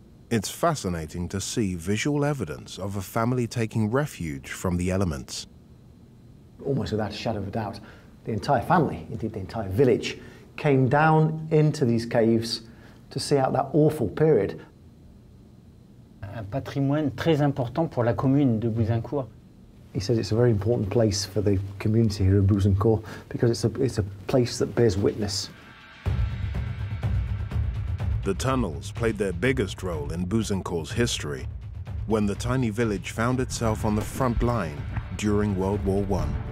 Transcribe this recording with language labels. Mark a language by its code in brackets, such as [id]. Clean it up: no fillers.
[en] It's fascinating to see visual evidence of a family taking refuge from the elements. Almost without a shadow of a doubt, the entire family, indeed the entire village, came down into these caves to see out that awful period. [fr] Un patrimoine très important pour la commune de Bouzincourt. [en] He says it's a very important place for the community here at Bouzincourt because it's a place that bears witness. The tunnels played their biggest role in Bouzincourt's history when the tiny village found itself on the front line during World War I.